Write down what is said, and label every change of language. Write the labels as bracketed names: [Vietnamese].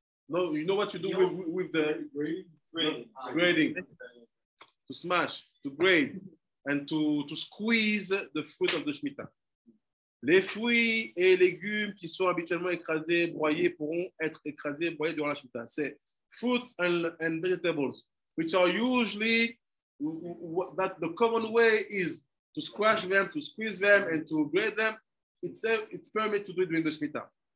[English] No, you know what you do with the grading. To smash, to grade, and to squeeze the fruit of the Shemitah. [French] Les fruits et légumes qui sont habituellement écrasés, broyés, pourront être écrasés, broyés durant la Shemitah. [English] C'est fruits and vegetables, which are usually that the common way is to squash them, to squeeze them, and to grate them. It's permitted to do it during the Shemitah.